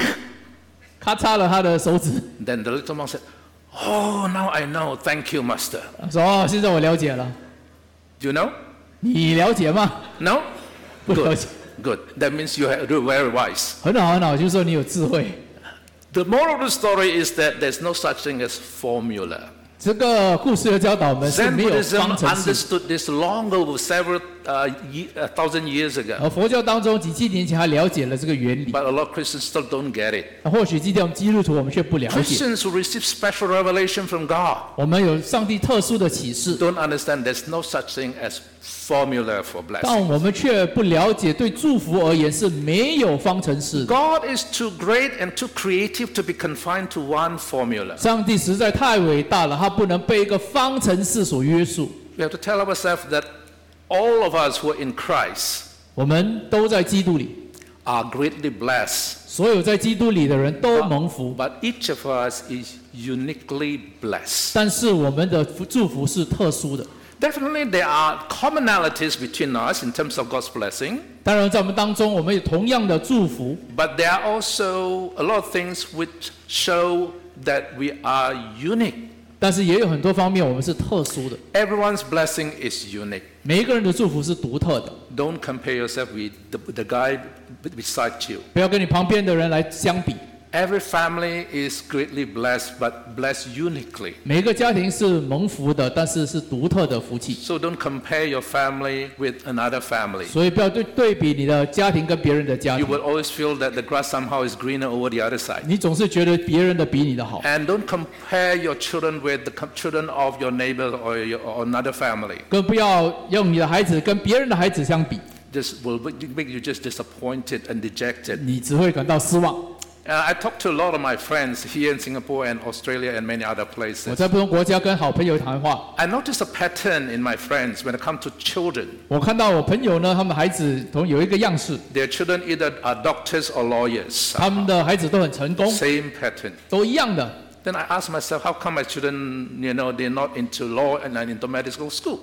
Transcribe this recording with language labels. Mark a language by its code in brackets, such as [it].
[zh] 咔嚓！然后师父拿出刀，咔嚓了他的手指。 [en] Then the little monk said, "Oh, now I know. Thank you, master." [zh] 说，哦，现在我了解了。 [en] Do you know? [zh] 你了解吗？ [en] No. [zh] 不了解。 [en] Good. That means you are very wise. [zh] 很好，就是说你有智慧。 [en] The moral of the story is that there's no such thing as formula. [zh] 这个故事的教导我们是没有方程式。 [en] Zen Buddhism understood this long ago, several thousand years ago. [zh] 佛教当中几千年前还了解了这个原理。 [en] But a lot of Christians still don't get it. [zh] 或许今天我们基督徒我们却不了解。 [en] Christians who receive special revelation from God. [zh] 我们有上帝特殊的启示。 [en] Don't understand there's no such thing as formula for blessing. [zh] 但我们却不了解对祝福而言是没有方程式的。 [en] God is too great and too creative to be confined to one formula. [zh] 上帝实在太伟大了，他不能被一个方程式所约束。 [en] We have to tell ourselves that all of us who are in Christ, [zh] 我们都在基督里, [en] are greatly blessed. [zh] 所有在基督里的人都蒙福。 [en] But each of us is uniquely blessed. [zh] 但是我们的祝福是特殊的。 [en] Definitely, there are commonalities between us in terms of God's blessing. [zh] 当然，在我们当中，我们有同样的祝福。 [en] But there are also a lot of things which show that we are unique. [zh] 但是也有很多方面我们是特殊的。 [en] Everyone's blessing is unique. [zh] 每一个人的祝福是独特的。 [en] Don't compare yourself with the guy beside you. [zh] 不要跟你旁边的人来相比。 [en] Every family is greatly blessed, but blessed uniquely. [zh] 每个家庭是蒙福的，但是是独特的福气。 [en] So don't compare your family with another family. [zh] 所以不要对比你的家庭跟别人的家庭。 [en] You will always feel that the grass somehow is greener over the other side. [zh] 你总是觉得别人的比你的好。 [en] And don't compare your children with the children of your neighbor or another family. [zh] 更不要用你的孩子跟别人的孩子相比。 [en] This will make you just disappointed and dejected. [zh] 你只会感到失望。 [en] I talk to a lot of my friends here in Singapore and Australia and many other places. [zh] 我在不同国家跟好朋友谈话。 [en] I notice a pattern in my friends when it comes to children. [zh] 我看到我朋友呢，他们孩子都有一个样式。 [en] Their children either are doctors or lawyers. [zh] 他们的孩子都很成功。 [en] Same pattern. [zh] 都一样的。 [en] Then I ask myself, how come my children, you know, they're not into law and not into medical school?